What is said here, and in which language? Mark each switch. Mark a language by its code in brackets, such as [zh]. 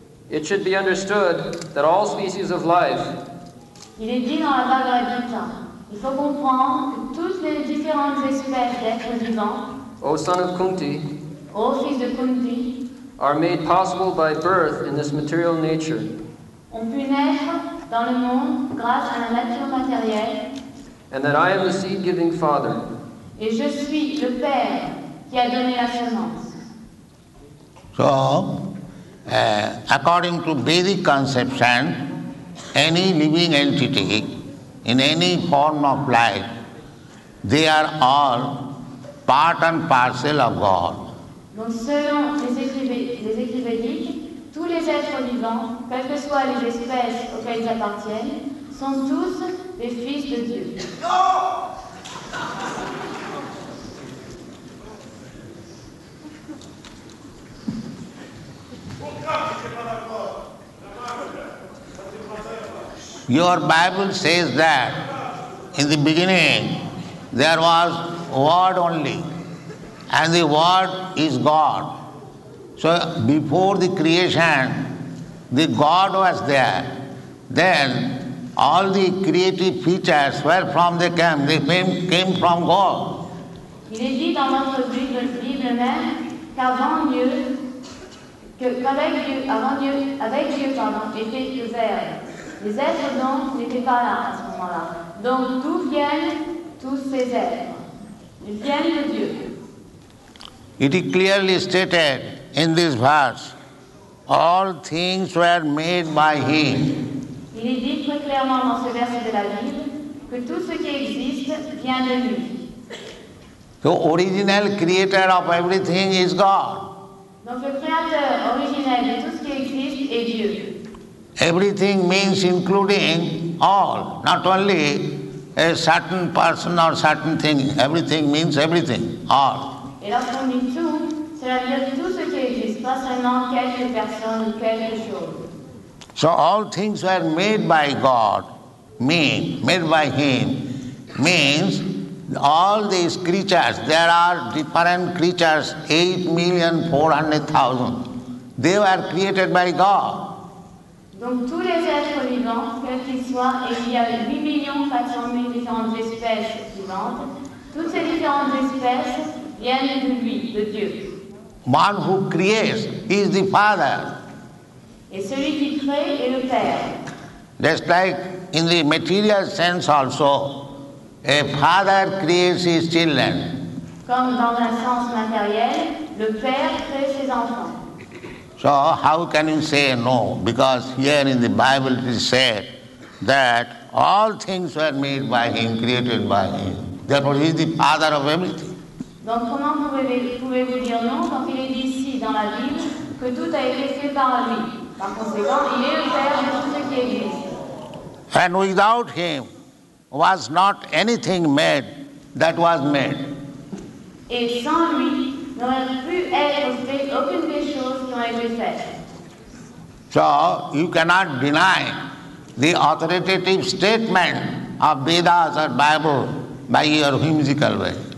[en] It should be understood that all species of life. [fr] Il est dit dans la Bhagavad Gita. Il faut comprendre que toutes les différentes espèces d'êtres vivants. [en] O son of Kunti. [fr] O fils de Kunti. [en] Are made possible by birth in this material nature. [fr] On peut naître dans le monde grâce à la nature matérielle. [en] And that I am the seed-giving father. [fr] Et je suis le père qui a donné la semence. [en] So. According to Vedic conception, any living entity in any form of life, they are all part and parcel of God. [fr] Donc selon les écrits védiques, tous les êtres vivants, quelles que soient les espèces auxquelles ils appartiennent, sont tous les fils de Dieu. [en] No! Your Bible says that in the beginning there was word only, and the word is God. So before the creation, the God was there. Then all the creative features, where from they came? They came from God. [fr] Il est dit dans notre Bible, même qu'avant Dieu, qu'avec Dieu, était le Verbe. Les êtres, donc, n'étaient pas là à ce moment-là. Donc, d'où viennent tous ces êtres? Ils viennent de Dieu. [en] It is clearly stated in this verse, all things were made by Him. [fr] Il est dit très clairement dans ce verset de la Bible que tout ce qui existe vient de lui. [en] The original creator of everything is God. [fr] Donc le créateur originel de tout ce qui existe est Dieu. [en] Everything means including all, not only a certain person or certain thing. Everything means everything, all. [fr] Et lorsqu'on dit tout, cela veut dire tout ce qui existe, pas seulement quelques personnes ou quelques choses. [en] So all things were made by God, made by Him, means all these creatures, there are different creatures, 8,400,000, they were created by God. [fr] Donc tous les êtres vivants, quels qu'ils soient, et il y a 8,400,000 différentes espèces vivantes, toutes ces différentes espèces, de Dieu. [en] One who creates is the Father. [fr] Et celui qui crée est le Père. [en] Just like in the material sense also, a father creates his children. [fr] Comme dans un sens matériel, le Père crée ses enfants. [en] So how can you say no? Because here in the Bible it is said that all things were made by Him, created by Him. Therefore He is the Father of everything. [fr] Donc comment pouvez-vous dire non quand il est dit ici dans la Bible que tout a été fait par lui? Par conséquent, il est le Père de tout ce qui existe. [en] And without Him was not anything made that was made. [fr] Et sans lui, n'aurait pu être fait aucune des choses qui ont été faites. [en] So you cannot deny the authoritative statement of Vedas or Bible by your whimsical way.